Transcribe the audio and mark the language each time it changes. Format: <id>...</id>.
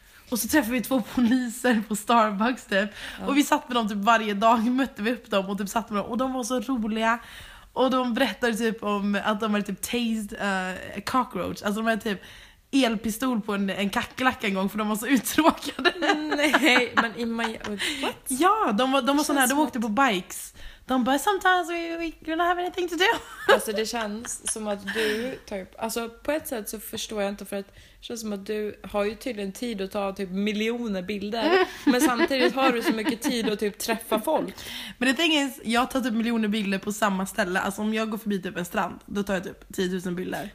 <sv>Och så träffar vi två poliser på Starbucks typ. Ja. Och vi satt med dem typ varje dag, mötte vi upp dem och typ satt med dem. Och de var så roliga. Och de berättade typ om att de hade typ tased cockroach. Alltså de hade typ elpistol på en kackelack en gång, för de var så uttråkade. Nej, men i Miami, what? Ja, de var sån här, de åkte på bikes.</sv> <en>De bara, sometimes we don't have anything to do.</en> <sv>Alltså det känns som att du typ, alltså på ett sätt så förstår jag inte, för att det känns som att du har ju tydligen tid att ta typ miljoner bilder, men samtidigt har du så mycket tid att typ träffa folk. Men det thing is, jag tar typ miljoner bilder på samma ställe. Alltså om jag går förbi typ en strand, då tar jag typ 10 000 bilder.</sv>